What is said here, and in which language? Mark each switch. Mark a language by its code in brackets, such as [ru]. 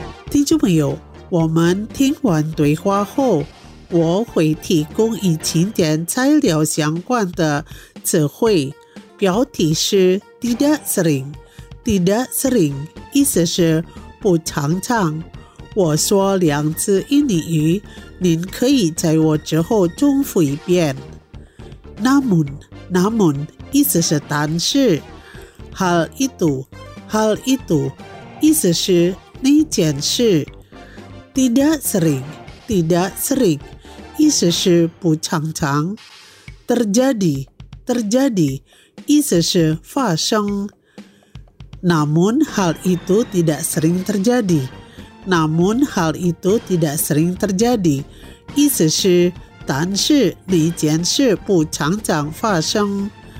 [zh] 听众朋友，我们听完对话后，我会提供与情点材料相关的词汇，标题是 [id] "Tidak sering"。 "Tidak sering" [zh] 意思是不常常。我说两次印尼语，您可以在我之后重复一遍。 [id] "Namun", "Namun" [zh] 意思是但是。 [id] "Hal itu", "Hal itu" [zh] 意思是那件事。 [id] Tidak sering, tidak sering. [zh] 意思是不常常. [id] Terjadi. [zh] 意思是发生. [id] Namun hal itu tidak sering terjadi. Namun hal itu tidak sering terjadi. [zh] 意思是但是那件事不常常发生.